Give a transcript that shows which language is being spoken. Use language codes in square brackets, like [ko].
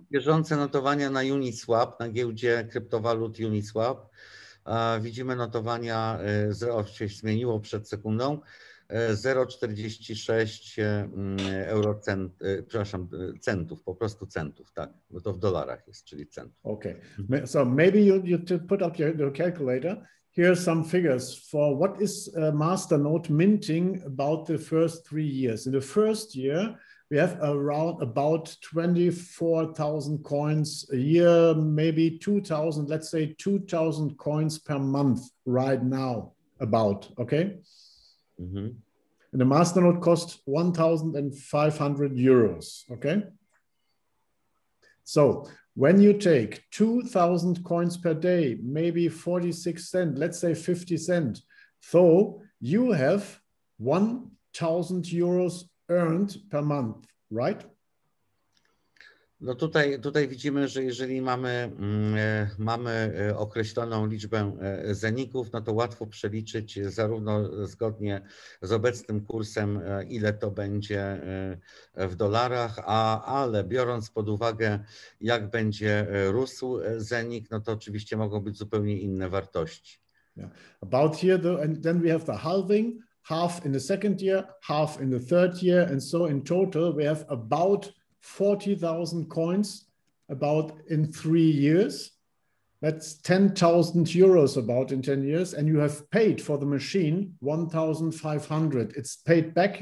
[pl] Bieżące notowania na Uniswap, na giełdzie kryptowalut Uniswap. Widzimy notowania, się zmieniło przed sekundą. 0,46 centów, po prostu centów, tak, bo to w dolarach jest, czyli centów. [en] Okay, so maybe you to put up your calculator. Here are some figures for what is Masternode minting about the first 3 years. In the first year, we have around about 24,000 coins a year, maybe 2,000, let's say 2,000 coins per month right now, about, okay? Mm-hmm. And the masternode cost 1,500 euros, okay? So when you take 2,000 coins per day, maybe 46 cent, let's say 50 cent, so you have 1,000 euros earned per month, right? [pl] No tutaj widzimy, że jeżeli mamy określoną liczbę zeników, no to łatwo przeliczyć zarówno zgodnie z obecnym kursem, ile to będzie w dolarach, ale biorąc pod uwagę, jak będzie rósł zenik, no to oczywiście mogą być zupełnie inne wartości. [en] Yeah. About here, though, and then we have the halving, half in the second year, half in the third year, and so in total we have about 40,000 coins about in 3 years. That's 10,000 euros about in 10 years. And you have paid for the machine 1,500. It's paid back.